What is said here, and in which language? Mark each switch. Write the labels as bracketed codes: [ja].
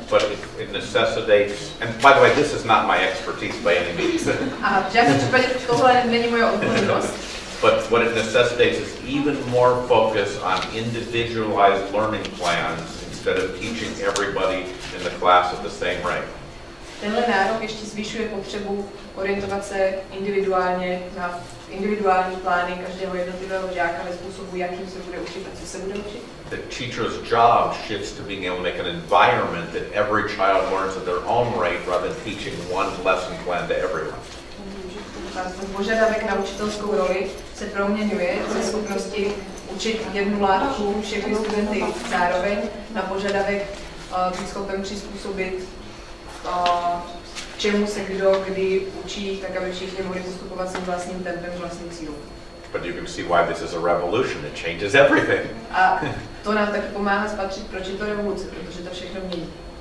[en] But it necessitates, and by the way, this is not my expertise by any means. [cs] A v žádném případě tohle není moje odbornost. [en] But what it necessitates is even more focus on individualized learning plans instead of teaching everybody in the class at the same rate. [cs] Tenhle nárok ještě zvyšuje potřebu orientovat se individuálně na individuální plány každého jednotlivého žáka ve způsobu, jakým se bude učit a co se bude učit. [en] The teacher's job shifts to being able to make an environment that every child learns at their own rate rather than teaching one lesson plan to everyone. [cs] ten požadavek na učitelskou roli se proměňuje ze schopnosti učit jednu látku všechny studenty zároveň na požadavek být schopen přizpůsobit čemu se kdo kdy učí, tak aby všichni mohli postupovat svým vlastním tempem, vlastním cílům. [en] But you can see why this is a revolution. It changes everything. [cs] A to nám taky pomáhá spatřit, proč je to revoluce, protože to všechno mění.